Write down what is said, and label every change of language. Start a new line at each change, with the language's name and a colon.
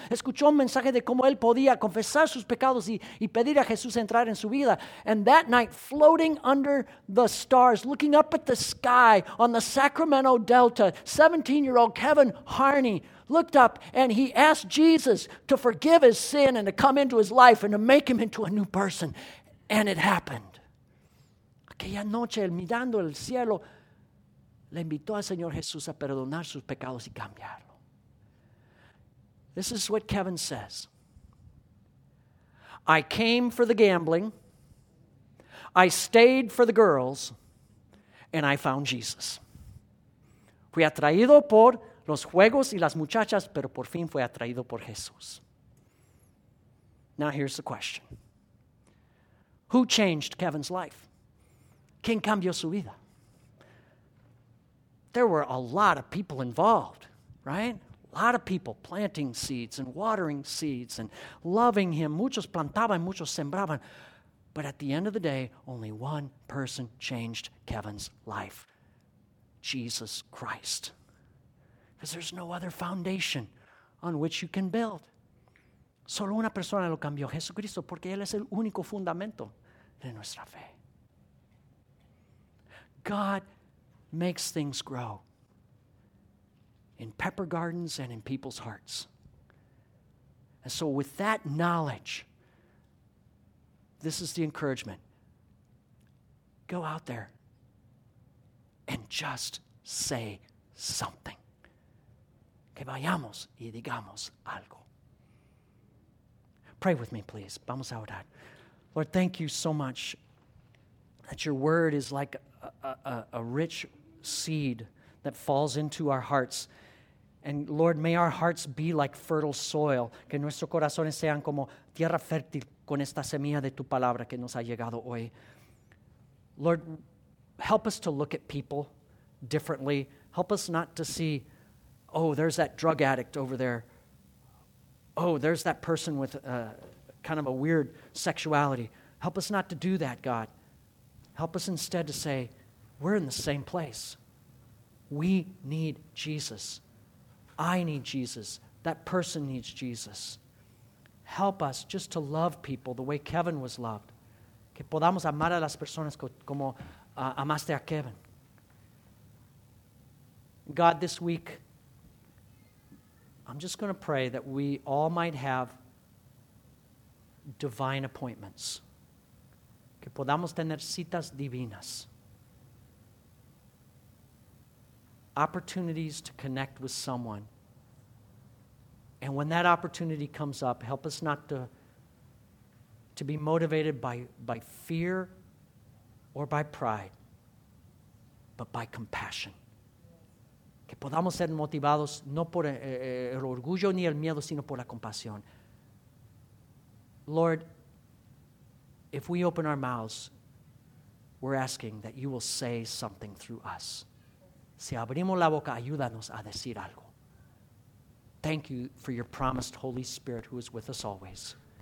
Spanish: Escuchó un mensaje de cómo él podía confesar sus pecados y pedir a Jesús entrar en su vida.
English: And that night, floating under the stars, looking up at the sky on the Sacramento Delta, 17-year-old Kevin Harney looked up and he asked Jesus to forgive his sin and to come into his life and to make him into a new person. And it happened.
Spanish: Aquella noche, mirando el cielo, le invitó al Señor Jesús a perdonar sus pecados y cambiarlo.
English: This is what Kevin says. I came for the gambling, I stayed for the girls, and I found Jesus.
Spanish: Fui atraído por los juegos y las muchachas, pero por fin fui atraído por Jesús.
English: Now here's the question. Who changed Kevin's life?
Spanish: ¿Quién cambió su vida?
English: There were a lot of people involved, right? A lot of people planting seeds and watering seeds and loving him.
Spanish: Muchos plantaban, muchos sembraban.
English: But at the end of the day, only one person changed Kevin's life. Jesus Christ. Because there's no other foundation on which you can build.
Spanish: Solo una persona lo cambió, Jesucristo, porque él es el único fundamento de nuestra fe.
English: God makes things grow in pepper gardens and in people's hearts. And so with that knowledge, this is the encouragement. Go out there and just say something.
Spanish: Que vayamos y digamos algo.
English: Pray with me, please.
Spanish: Vamos a orar.
English: Lord, thank you so much that your word is like a rich seed that falls into our hearts. And Lord, may our hearts be like fertile soil.
Spanish: Que nuestros corazones sean como tierra fértil con esta semilla de tu palabra que nos ha llegado hoy.
English: Lord, help us to look at people differently. Help us not to see, oh, there's that drug addict over there. Oh, there's that person with kind of a weird sexuality. Help us not to do that, God. Help us instead to say, we're in the same place. We need Jesus. I need Jesus. That person needs Jesus. Help us just to love people the way Kevin was loved.
Spanish: Que podamos amar a las personas como amaste a Kevin.
English: God, this week, I'm just going to pray that we all might have divine appointments.
Spanish: Que podamos tener citas divinas.
English: Opportunities to connect with someone. And when that opportunity comes up, help us not to be motivated by fear or by pride, but by compassion.
Spanish: Que podamos ser motivados no por el orgullo ni el miedo, sino por la compasión.
English: Lord, if we open our mouths, we're asking that you will say something through us.
Spanish: Si abrimos la boca, ayúdanos a decir algo.
English: Thank you for your promised Holy Spirit who is with us always.